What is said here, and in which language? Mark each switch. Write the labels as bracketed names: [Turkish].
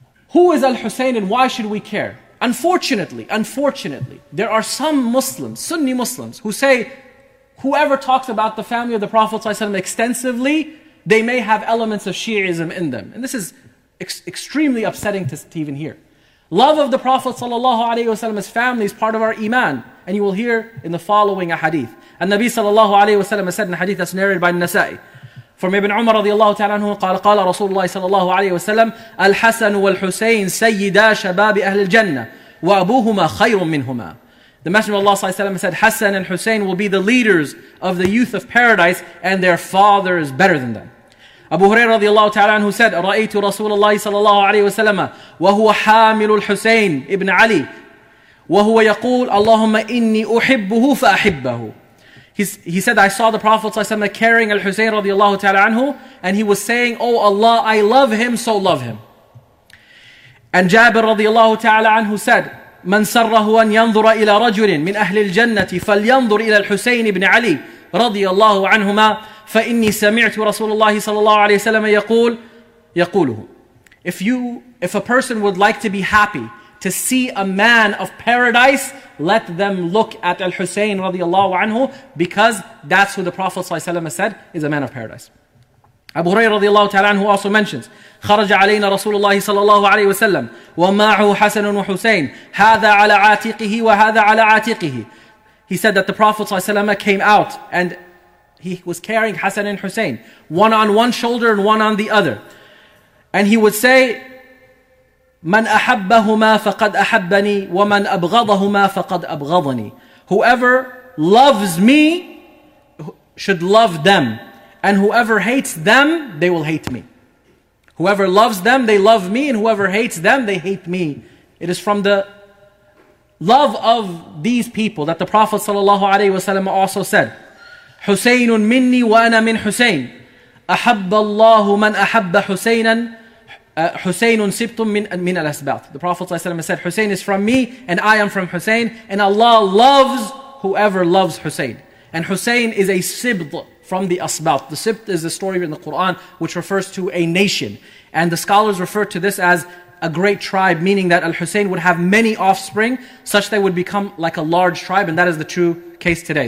[English] Who is Al-Husayn and why should we care? Unfortunately, there are some Muslims, Sunni Muslims, who say whoever talks about the family of the Prophet ﷺ extensively, they may have elements of Shi'ism in them. And this is extremely upsetting to even hear. Love of the Prophet ﷺ's family is part of our iman. And you will hear in the following a hadith. And Nabi ﷺ has said in a hadith that's narrated by Nasa'i. From Ibn Umar radiallahu ta'ala anhu, [Arabic] قال رسول الله صلى الله عليه وسلم الحسن والحسين سيدا شباب أهل الجنة وأبوهما خير منهما. [English] The Messenger of Allah صلى الله عليه وسلم said, Hassan and Hussein will be the leaders of the youth of paradise, and their father is better than them. Abu Hurairah radiallahu ta'ala anhu said, [Arabic] رأيت رسول الله صلى الله عليه وسلم وهو حامل الحسين ابن علي وهو يقول اللهم إني أحبه فأحبه. [English] He said, I saw the Prophet ﷺ carrying Al-Husayn radiallahu ta'ala anhu, and he was saying, oh Allah, I love him, so love him. And Jabir radiallahu ta'ala anhu said, [Arabic] من سره أن ينظر إلى رجل من أهل الجنة فلينظر إلى الحسين بن علي رضي الله عنهما فإني سمعت رسول الله صلى الله عليه وسلم يقول يقوله. [English] If a person would like to be happy to see a man of paradise, let them look at Al-Husayn radiallahu anhu, because that's who the Prophet صلى الله عليه وسلم said is a man of paradise. Abu Hurairah radiallahu ta'ala anhu also mentions, [Arabic] خرج علينا رسول الله صلى الله عليه وسلم ومعه حسن وحسين هذا على عاتقه وهذا على عاتقه. [English] He said that the Prophet صلى الله عليه وسلم came out and he was carrying Hassan and Hussein, one on one shoulder and one on the other. And he would say, [Arabic] من أحبهما فقد أحبني ومن أبغضهما فقد أبغضني. [English] Whoever loves me should love them, and whoever hates them, they will hate me. Whoever loves them, they love me, and whoever hates them, they hate me. It is from the love of these people that the Prophet ﷺ also said, [Arabic] حُسَيْنٌ مِنِّي وَأَنَا مِنْ حُسَيْنٍ أَحَبَّ اللَّهُ مَنْ أَحَبَّ حُسَيْنًا حُسَيْنٌ سِبْتٌ مِنْ الْأَسْبَاطِ. [English] The Prophet ﷺ said, Hussein is from me, and I am from Hussein, and Allah loves whoever loves Hussein. And Hussein is a sibt from the Asbat. The Sibt is a story in the Quran which refers to a nation. And the scholars refer to this as a great tribe, meaning that Al-Husayn would have many offspring, such they would become like a large tribe, and that is the true case today.